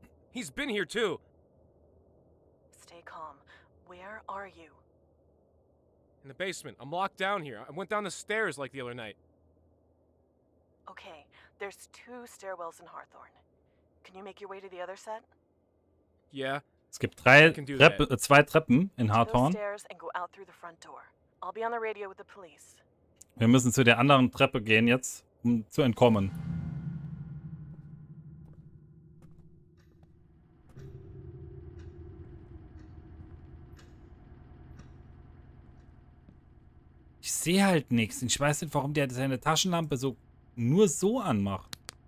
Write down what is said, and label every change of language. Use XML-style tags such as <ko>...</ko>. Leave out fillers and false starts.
<en>He's been here too. Stay calm. Where are you? In the basement. I'm locked down here. I went down the stairs like the other night. Okay, there's two stairwells in Hawthorne. Can you make your way to the other set? Yeah.</en> <de>Es gibt drei zwei Treppen in Hawthorne.</de> <en>Stairs and go out through the front door. I'll be on the radio with the police.</en> <de>Wir müssen zu der anderen Treppe gehen jetzt. Um zu entkommen. Ich sehe halt nichts. Ich weiß nicht, warum der seine Taschenlampe so nur so anmacht.</de>